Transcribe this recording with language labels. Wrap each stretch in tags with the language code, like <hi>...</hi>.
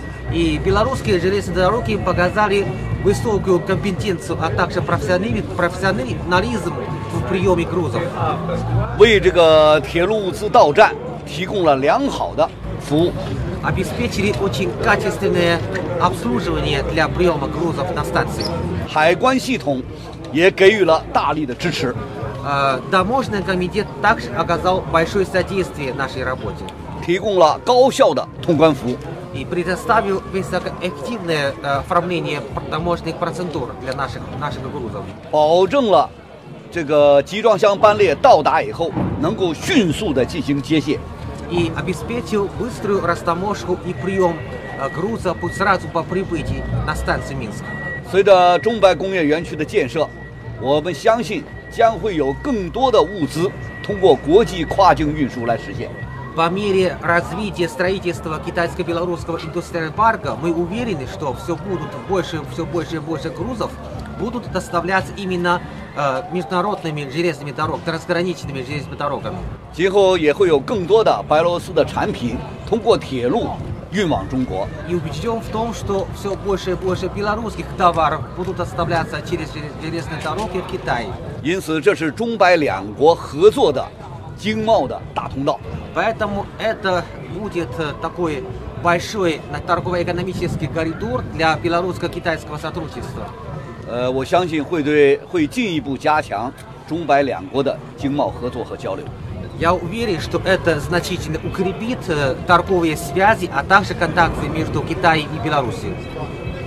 <ru>И белорусские железные дороги показали высокую компетенцию, а также профессионализм в приеме грузов.</ru> <zh>为这个铁路物资到站提供了良好的服务。</zh> <ru>Обеспечили очень качественное обслуживание для приема грузов на станции.</ru> <zh>海关系统也给予了大力的支持。</zh> <ru>таможенный комитет также оказал большое содействие нашей работе,</ru> <zh>提供了高效的通关服务</zh> <ru>и предоставил высокоэффективное оформление таможенных процедур для наших грузов,</ru> <zh>保证了这个集装箱班列到达以后能够迅速地进行接卸,</zh> <ru>и обеспечил быструю растаможку и прием груза сразу по прибытии на станции Минск.</ru> <zh>随着中白工业园区的建设，我们相信将会有更多的物资通过国际跨境运输来实现。</zh> <ru>По мере развития строительства китайско-белорусского индустриального парка мы уверены, что все больше грузов будут доставляться именно международными железными дорогами, трансграничными железными дорогами.</ru> <zh>今后也会有更多的白俄罗斯的产品通过铁路运往中国。</zh> <ru>И убежден в том, что все больше и больше белорусских товаров будут доставляться через железные дороги в Китай.</ru> <zh>因此，这是中白两国合作的经贸的大通道。</zh> <ru>Поэтому это будет такой большой торгово-экономический коридор для белорусско-китайского сотрудничества.</ru> <zh>我相信会进一步加强中白两国的经贸合作和交流。</zh> <ru>Я уверен, что это значительно укрепит торговые связи, а также контакты между Китаем и Белоруссией.</ru>